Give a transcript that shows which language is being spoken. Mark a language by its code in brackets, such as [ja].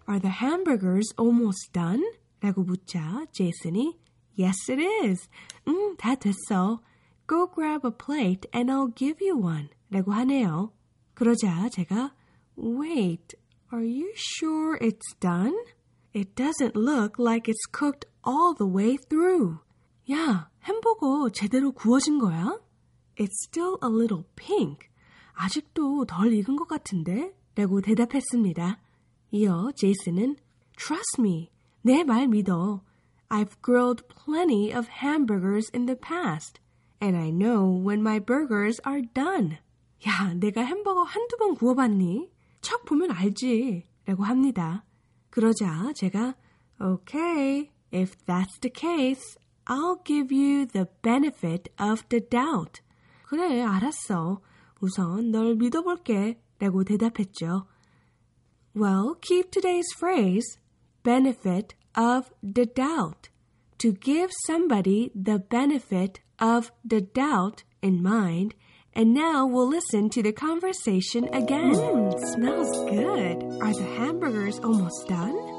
[en] Are the hamburgers almost done? [ko] 라고 묻자 제이슨이 [en] Yes, it is. [ko] 다 됐어. [en] Go grab a plate and I'll give you one. [ko] 라고 하네요. 그러자 제가 [en] Wait, are you sure it's done? It doesn't look like it's cooked all the way through. [ko] 야, 햄버거 제대로 구워진 거야? [en] It's still a little pink. [ko] 아직도 덜 익은 것 같은데? 라고 대답했습니다. 이어 제이슨은 [en] Trust me. [ko] 내 말 믿어. [en] I've grilled plenty of hamburgers in the past, and I know when my burgers are done. [ko] 야, 내가 햄버거 한두 번 구워봤니? 척 보면 알지, 라고 합니다. 그러자 제가, [en] Okay, if that's the case, I'll give you the benefit of the doubt. [ko] 그래, 알았어. 우선 널 믿어볼게, 라고 대답했죠. [en] Well, keep today's phrase, benefit of the doubt, to give somebody the benefit of the doubt in mind. And now we'll listen to the conversation again. Smells good. Are the hamburgers almost done?